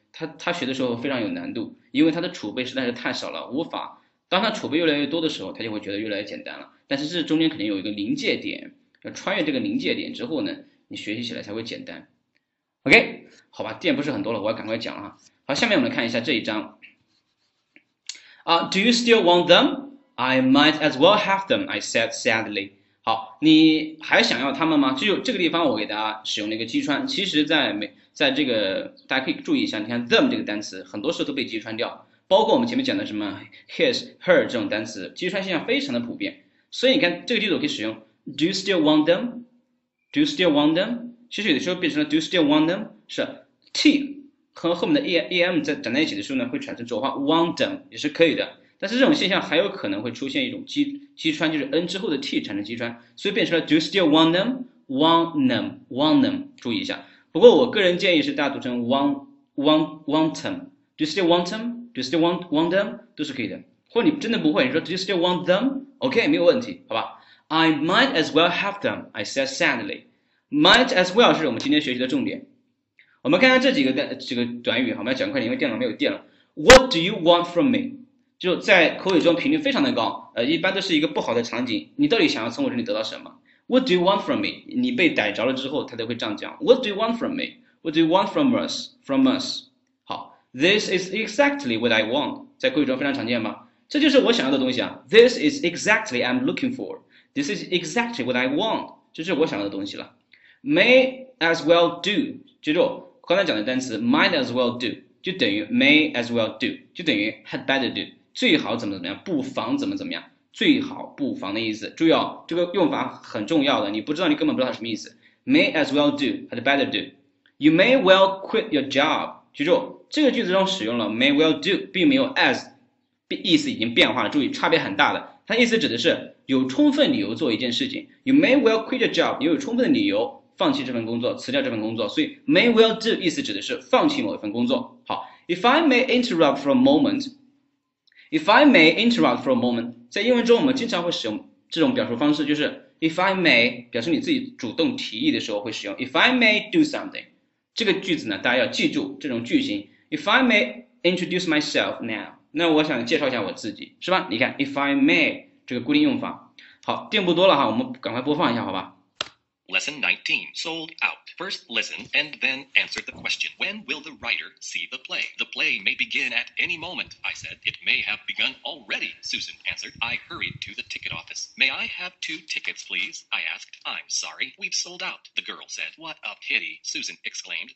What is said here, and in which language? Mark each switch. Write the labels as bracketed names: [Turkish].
[Chinese] 他学的时候非常有难度，因为他的储备实在是太少了，无法。当他储备越来越多的时候，他就会觉得越来越简单了。但是这中间肯定有一个临界点，要穿越这个临界点之后呢，你学习起来才会简单。 OK，好吧，电不是很多了，我要赶快讲了哈。好，下面我们来看一下这一章。 [English] Do you still want them? I might as well have them, I said sadly. [Chinese] 好，你还想要他们吗？就这个地方，我给大家使用了一个击穿。其实，在这个大家可以注意一下，你看 them 这个单词，很多时候都被击穿掉，包括我们前面讲的什么 his、her 这种单词，击穿现象非常的普遍。所以你看这个句子，我可以使用 [English] do you still want them？Do you still want them？ [Chinese] 其实有的时候变成了 [English] do you still want them？ [Chinese] 是 t 和后面的 em 在粘在一起的时候呢，会产生浊化， [English] want them [Chinese] 也是可以的。但是这种现象还有可能会出现一种击穿，就是 n 之后的 t 产生击穿，所以变成了 [English] do you still want them？Want them？ [Chinese] Want them？注意一下。不过我个人建议是大家读成 [English] want them，do you still want them？Do you still want them？ [Chinese] 都是可以的。或者你真的不会，你说 [English] do you still want them？OK， [Chinese] 没有问题，好吧？ [English] I might as well have them，I said sadly。 Might as well [Chinese] 是我们今天学习的重点。我们看看这几个短语，我们要讲快点，因为电脑没有电了。 [English] What do you want from me？ [Chinese] 就在口语中频率非常的高，一般都是一个不好的场景。你到底想要从我这里得到什么？ [English] What do you want from me？ [Chinese] 你被逮着了之后，他都会这样讲： [English] What do you want from me？What do you want from us？ [Chinese] 好， [English] This is exactly what I want。 [Chinese] 在口语中非常常见吧？这就是我想要的东西啊。 [English] This is exactly I'm looking for。 This is exactly what I want。 [Chinese] 这是我想要的东西了。 [English] May as well do。 [Chinese] 记住刚才讲的单词， [English] might as well do。 [Chinese] 就等于 [English] may as well do， [Chinese] 就等于 [English] had better do， [Chinese] 最好怎么怎么样，不妨怎么怎么样，最好不妨的意思。注意哦，这个用法很重要的，你不知道你根本不知道它什么意思。 [English] May as well do had better do，you may well quit your job。 [Chinese] 记住，这个句子中使用了 [English] may well do， [Chinese] 并没有 as，意思已经变化了。注意，差别很大的。它意思指的是有充分理由做一件事情。 [English] You may well quit your job， [Chinese] 也有充分的理由。放弃这份工作，辞掉这份工作，所以 [English] may well do [Chinese] 意思指的是放弃某一份工作。 [English] 好，if I may interrupt for a moment，if I may interrupt for a moment， [Chinese] 在英文中我们经常会使用这种表述方式，就是 [English] if I may [Chinese] 表示你自己主动提议的时候会使用 [English] if I may do something。 [Chinese] 这个句子呢，大家要记住这种句型。 [English] if I may introduce myself now， [Chinese] 那我想介绍一下我自己，是吧？你看 [English] if I may [Chinese] 这个固定用法。好，电不多了哈，我们赶快播放一下，好吧？ [English] Lesson 19, sold out. First listen and then answer the question. When will the writer see the play? The play may begin at any moment, I said. It may have begun already, Susan answered. I hurried to the ticket office. May I have two tickets, please? I asked. I'm sorry, we've sold out, the girl said. What a pity, Susan exclaimed.